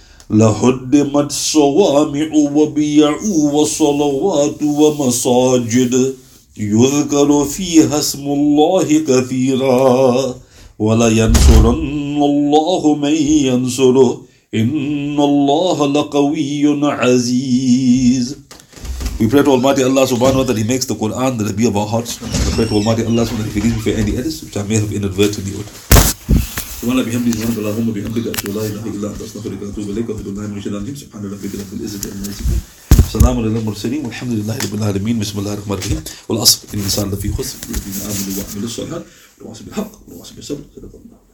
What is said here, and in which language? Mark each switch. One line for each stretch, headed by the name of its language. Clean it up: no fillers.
Arabic: لهدمت صوامع وبيع وصلوات ومساجد يذكر فيها اسم الله كثيرا ولينصرن الله من ينصره إن الله لقوي عزيز.
English: We pray to Almighty Allah subhanahu wa ta'ala that He makes the Quran the Rabbi of our hearts. We pray to Almighty Allah subhanahu wa ta'ala that He forgives me for any edits which I may have inadvertently uttered.
Arabic: سبحان ربي الحمد لله رب العالمين وبحمدك أشهد أن لا إله إلا أنت أستغفرك وأتوب إليك وأعوذ بالله من الشيطان الرجيم سبحان ربي رب العزة عما يصفون سلام على المرسلين والحمد لله رب العالمين بسم الله الرحمن الرحيم والأصل إن الإنسان لفي خسر الذين آمنوا وعملوا الصالحات وواصوا بالحق وواصوا بالصبر صدق الله.